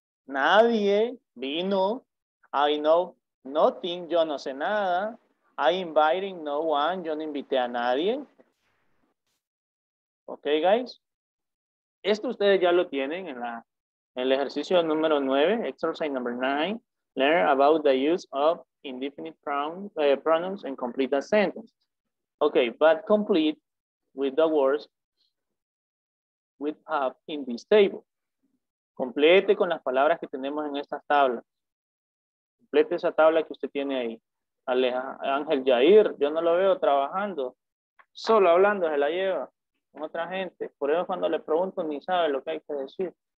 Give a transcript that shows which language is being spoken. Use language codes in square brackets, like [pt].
[es] Nadie vino. [en] I know nothing. [es] Yo no sé nada. [en] I invited no one. [es] Yo no invité a nadie. [en] Okay, guys. [es] Esto ustedes ya lo tienen en la el ejercicio número 9, [en] exercise number 9. Learn about the use of indefinite pronouns and complete a sentence. Okay, but complete with the words with have in this table. [es] Complete con las palabras que tenemos en estas tablas. Complete esa tabla que usted tiene ahí. Aleja, Ángel Yair, yo no lo veo trabajando. Solo hablando se la lleva con otra gente. Por eso cuando le pregunto ni sabe lo que hay que decir.